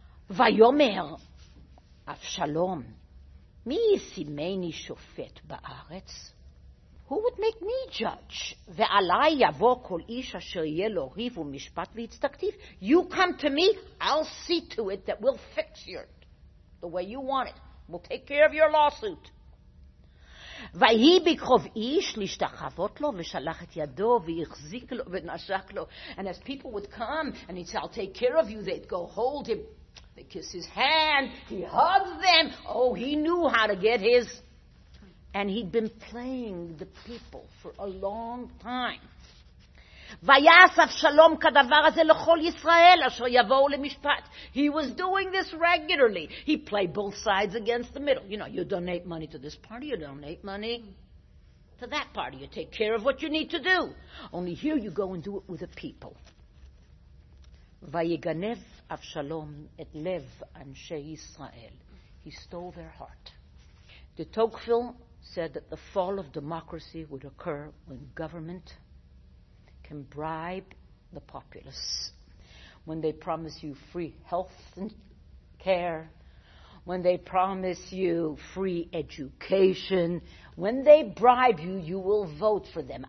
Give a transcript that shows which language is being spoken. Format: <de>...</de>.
<he>Vayomer Avshalom, mi yisimeni shofet ba'aretz?</he> <en>Who would make me judge?</en> <he>Ve'alai yavo kol ish asher yeh lo riv u'mishpat v'yitztaktiv.</he> <en>You come to me, I'll see to it that we'll fix the way you want it. We'll take care of your lawsuit.</en> <he>ויהי בקרוב איש להשתחוות לו ושלח את ידו והחזיק לו ונשק לו.</he> <en>And as people would come and he'd say, I'll take care of you, they'd go hold him, they kiss his hand, he hugged them. Oh, he knew how to get his. And he'd been playing the people for a long time.</en> <he>ויעש אבשלום כדבר הזה לכל ישראל אשר יבואו למשפט.</he> <en>He was doing this regularly. He played both sides against the middle. You know, you donate money to this party, you donate money to that party. You take care of what you need to do. Only here you go and do it with the people.</en> <he>ויגנב אבשלום את לב אנשי ישראל.</he> <en>He stole their heart. De Tocqueville said that the fall of democracy would occur when government can bribe the populace, when they promise you free health care, when they promise you free education, when they bribe you, you will vote for them.</en>